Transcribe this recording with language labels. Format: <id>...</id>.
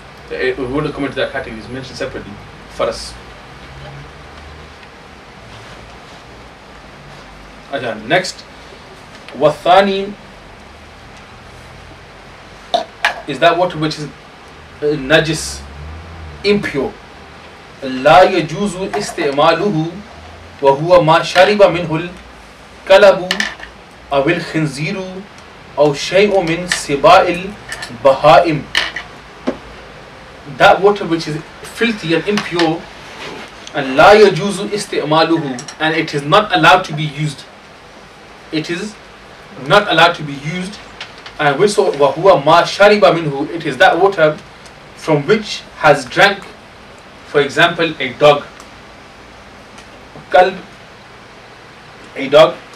<en>We wouldn't come into that category, it's mentioned separately. Faras. Next, wathani is that water which is najis, impure.</en> <ar>لا يجوز استعماله وهو ما شرب منه الكلب أو الخنزير أو شيء من سباع البهائم.</ar> <en>That water which is filthy and impure, and</en> <ar>لا يجوز استعماله,</ar> <en>and it is not allowed to be used. It is not allowed to be used, and</en> <ar>وَهُوَ مَا شَرِبَ مِنْهُ,</ar> <en>it is that water from which has drank, for example, a dog, kalb, a dog,</en>